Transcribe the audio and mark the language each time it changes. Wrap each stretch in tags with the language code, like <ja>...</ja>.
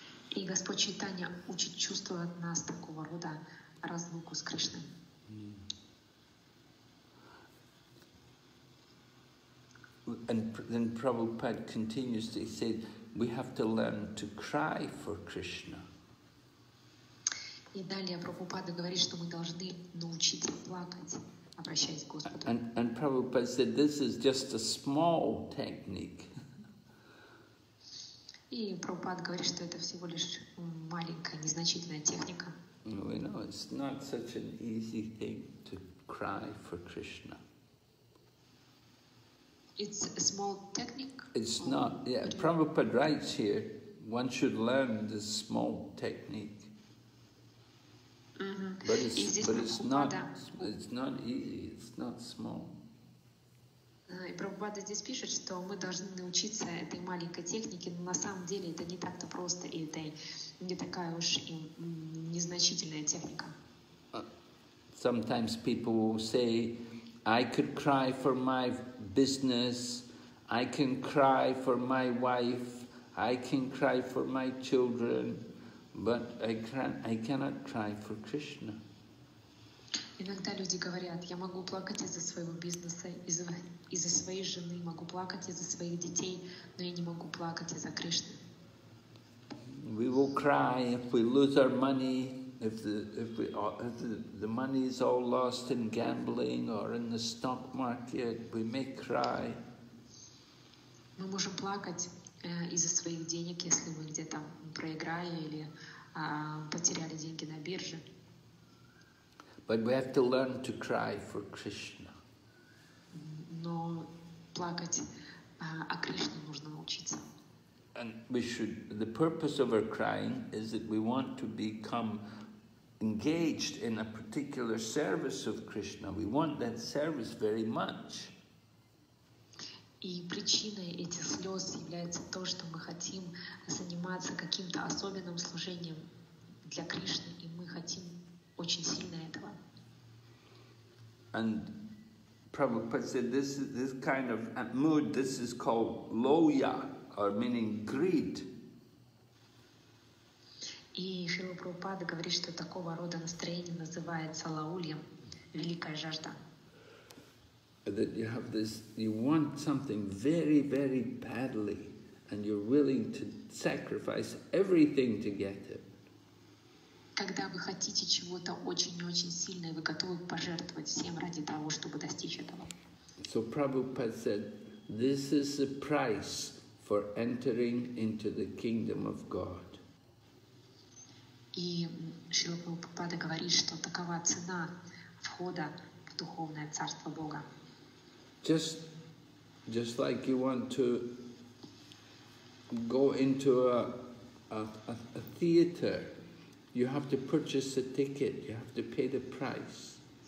<ru>И Господь Чайтанья учит чувствовать нас такого рода разлуку с Кришной.</ru> <en>And then Prabhupada continues to say, we have to learn to cry for Krishna.</en> <ru>И далее Прабхупада говорит, что мы должны научиться плакать.</ru> <en>And Prabhupada said, this is just a small technique.</en> <ru>И Прабхупада говорит, что это всего лишь маленькая, незначительная техника.</ru> <en>We know it's not such an easy thing to cry for Krishna. It's a small technique? It's not. Yeah, Prabhupada writes here, one should learn this small technique. Mm-hmm. But it's not easy, it's not small.</en> <ru>И Прабхупада здесь пишет, что мы должны научиться этой маленькой технике, но на самом деле это не так-то просто, и это не такая уж и незначительная техника.</ru> <en>Sometimes people will say, I could cry for my business, I can cry for my wife, I can cry for my children. But I cannot cry for Krishna.</en> <ru>Иногда люди говорят, я могу плакать из-за своего бизнеса, из-за своей жены, могу плакать из-за своих детей, но я не могу плакать из-за Кришны.</ru> <en>We will cry if we lose our money, if the money is all lost in gambling or in the stock market, we may cry.</en> <ru>Мы можем плакать из-за своих денег, если мы где-то проиграли или потеряли деньги на бирже.</ru> <en>But we have to learn to cry for Krishna.</en> <ru>Но плакать о Кришне нужно научиться.</ru> <en>And we should. The purpose of our crying is that we want to become engaged in a particular service of Krishna. We want that service very much.</en> <ru>И причиной этих слез является то, что мы хотим заниматься каким-то особенным служением для Кришны, и мы хотим очень сильно этого.</ru> <en>And Prabhupada said, this kind of mood, this is called loya, or meaning greed.</en> <ru>И Шрила Прабхупада говорит, что такого рода настроение называется лаульем, великая жажда.</ru> <en>That you have this, you want something very, very badly, and you're willing to sacrifice everything to get it.</en> <ru>Когда вы хотите чего-то очень-очень сильно, и вы готовы пожертвовать всем ради того, чтобы достичь этого.</ru> <en>So Prabhupada said, this is the price for entering into the kingdom of God.</en> <ru>И Шрила Прабхупада говорит, что такова цена входа в духовное царство Бога.</ru> <en>Just like you want to go into a theater, you have to purchase a ticket, you have to pay the price.</en>